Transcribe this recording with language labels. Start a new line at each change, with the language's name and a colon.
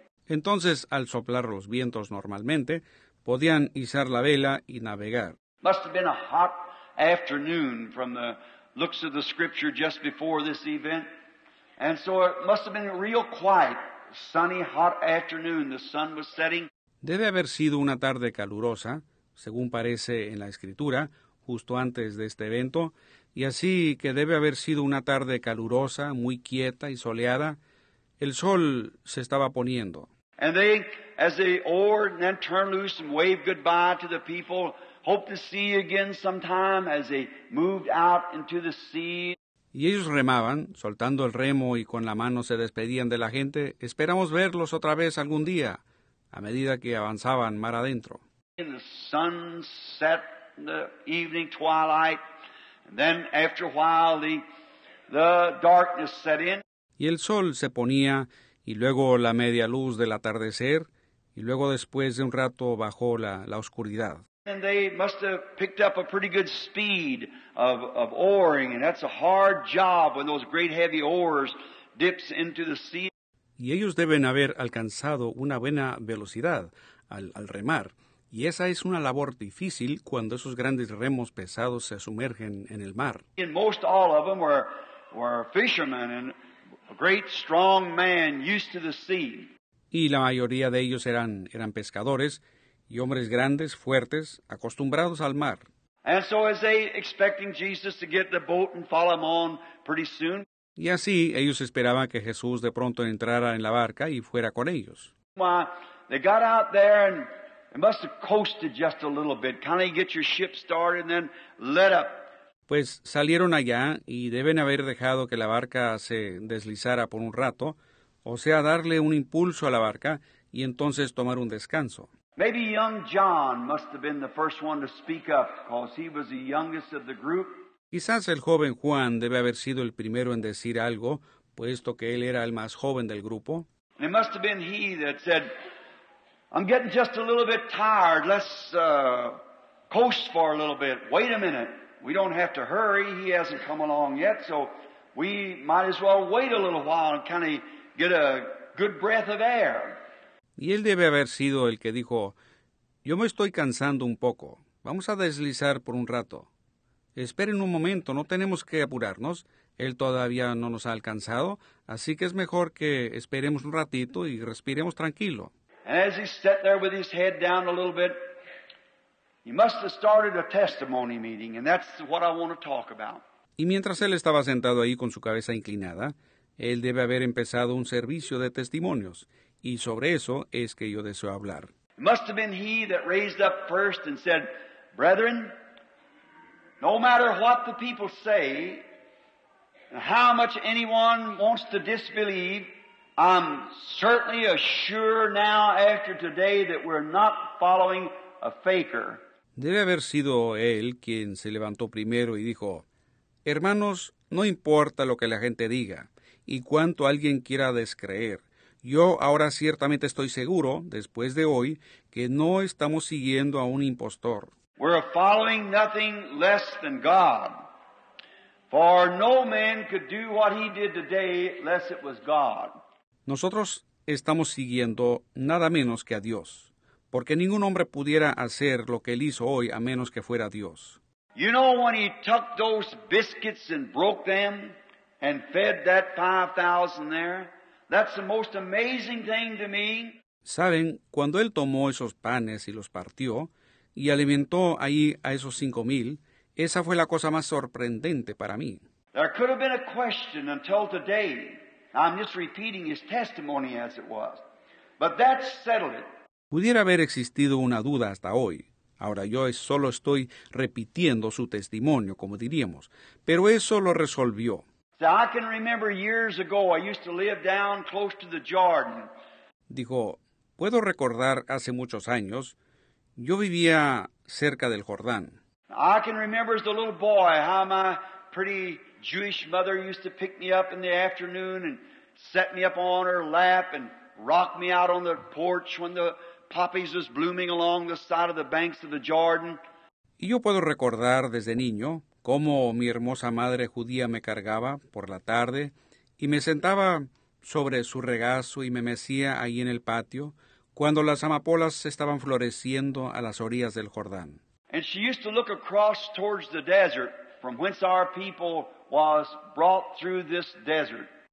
Spanish: Entonces, al soplar los vientos normalmente, podían izar la vela y navegar.
English: Must have been a hot afternoon from the looks of the scripture just before this event. And so it must have been real quiet, sunny, hot afternoon. The sun was setting.
Spanish: Debe haber sido una tarde calurosa, según parece en la escritura, justo antes de este evento, y así que debe haber sido una tarde calurosa, muy quieta y soleada, el sol se estaba poniendo.
English: And they, as they oared and then turned loose and waved goodbye to the people, hope to see you again sometime as they moved out into the sea.
Spanish: Y ellos remaban, soltando el remo y con la mano se despedían de la gente, esperamos verlos otra vez algún día, a medida que avanzaban mar adentro.
English: And the sun set in the evening twilight, and then after a while the darkness set in.
Spanish: Y el sol se ponía, y luego la media luz del atardecer, y luego después de un rato bajó la oscuridad.
English: And they must have picked up a pretty good speed of oaring, and that's a hard job when those great heavy oars dips into the sea.
Spanish: Y ellos deben haber alcanzado una buena velocidad al remar. Y esa es una labor difícil cuando esos grandes remos pesados se sumergen en el mar.
English: And most all of them were fishermen and a great strong man used to the sea.
Spanish: Y la mayoría de ellos eran pescadores y hombres grandes, fuertes, acostumbrados al mar.
English: And so as they expecting Jesus to get the boat and follow him on pretty soon.
Spanish: Y así ellos esperaban que Jesús de pronto entrara en la barca y fuera con ellos.
English: Well, they got out there and they must have coasted just a little bit. Kind of get your ship started and then let up.
Spanish: Pues salieron allá y deben haber dejado que la barca se deslizara por un rato, o sea, darle un impulso a la barca y entonces tomar un descanso.
English: Maybe young John must have been the first one to speak up because he was the youngest of the group.
Spanish: Quizás el joven Juan debe haber sido el primero en decir algo, puesto que él era el más joven del grupo.
English: It must have been he that said, I'm getting just a little bit tired. Let's coast for a little bit. Wait a minute. We don't have to hurry. He hasn't come along yet, so we might as well wait a little while and kind of get a good breath of air.
Spanish: Y él debe haber sido el que dijo, yo me estoy cansando un poco. Vamos a deslizar por un rato. Esperen un momento, no tenemos que apurarnos. Él todavía no nos ha alcanzado, así que es mejor que esperemos un ratito y respiremos tranquilo.
English: And as he sat there with his head down a little bit, he must have started a testimony meeting, and that's what I want to talk about.
Spanish: Y mientras él estaba sentado ahí con su cabeza inclinada, él debe haber empezado un servicio de testimonios, y sobre eso es que yo deseo hablar.
English: It must have been he that raised up first and said, brethren, no matter what the people say, And how much anyone wants to disbelieve, I'm certainly assured now after today that we're not following a faker.
Spanish: Debe haber sido él quien se levantó primero y dijo, hermanos, no importa lo que la gente diga y cuánto alguien quiera descreer. Yo ahora ciertamente estoy seguro, después de hoy, que no estamos siguiendo a un impostor.
English: We're following nothing less than God. For no man could do what he did today unless it was God.
Spanish: Nosotros estamos siguiendo nada menos que a Dios, porque ningún hombre pudiera hacer lo que él hizo hoy a menos que fuera Dios.
English: You know when he took those biscuits and broke them and fed that 5,000 there? That's the most amazing thing to me.
Spanish: ¿Saben? Cuando él tomó esos panes y los partió y alimentó ahí a esos 5,000, esa fue la cosa más sorprendente para mí.
English: There could have been a question until today. I'm just repeating his testimony as it was. But that settled it.
Spanish: Pudiera haber existido una duda hasta hoy. Ahora yo solo estoy repitiendo su testimonio, como diríamos. Pero eso lo resolvió.
English: So I can remember years ago, I used to live down close to the Jordan.
Spanish: Dijo, puedo recordar hace muchos años, yo vivía cerca del Jordán.
English: I can remember as a little boy how my pretty Jewish mother used to pick me up in the afternoon and set me up on her lap and rock me out on the porch when the poppies was blooming along the side of the banks of the Jordan.
Spanish: Y yo puedo recordar desde niño cómo mi hermosa madre judía me cargaba por la tarde y me sentaba sobre su regazo y me mecía ahí en el patio cuando las amapolas estaban floreciendo a las orillas del Jordán.
English: And she used to look across towards the desert from whence our people was brought through this desert.